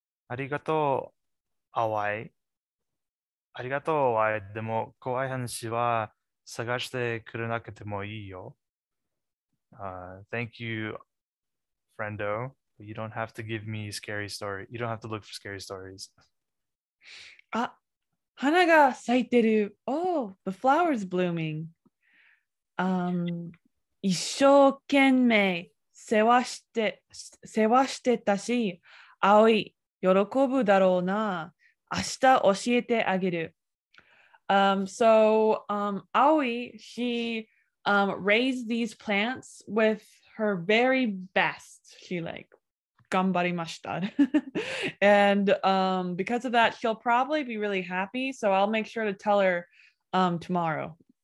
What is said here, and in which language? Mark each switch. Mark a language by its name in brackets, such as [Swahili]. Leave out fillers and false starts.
[Japanese] ありがとう、淡い。ありがとう、淡い。でも怖い話は探してくれなくてもいいよ。 [English] Thank you, friendo. You don't have to give me scary story. You don't have to look for scary stories. Ah, [Japanese] 花が咲いてる。 [English] Oh, the flower's blooming. [Japanese] 一生懸命 世話してたし、葵喜ぶだろうな。明日教えてあげる。 [English] Aoi, she raised these plants with her very best. She like [Japanese] 頑張りました。 [English] And because of that, she'll probably be really happy. So I'll make sure to tell her tomorrow.